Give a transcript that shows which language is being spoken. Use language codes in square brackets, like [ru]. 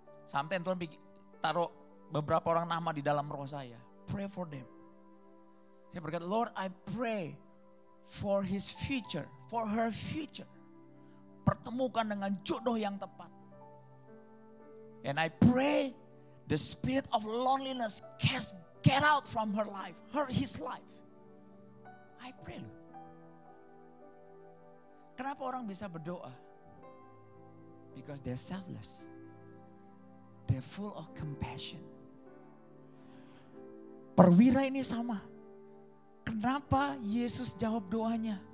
[id] Sampai Tuhan taruh beberapa orang nama di dalam roh saya, [en] pray for them. [id] Saya berkata, [en] Lord, I pray for his future, for her future. [id] Pertemukan dengan jodoh yang tepat. [en] And I pray the spirit of loneliness cast get out from her life, her his life. I pray. [id] Kenapa orang bisa berdoa? [en] Because they're selfless. They're full of compassion. [id] Perwira ini sama. Kenapa Yesus jawab doanya?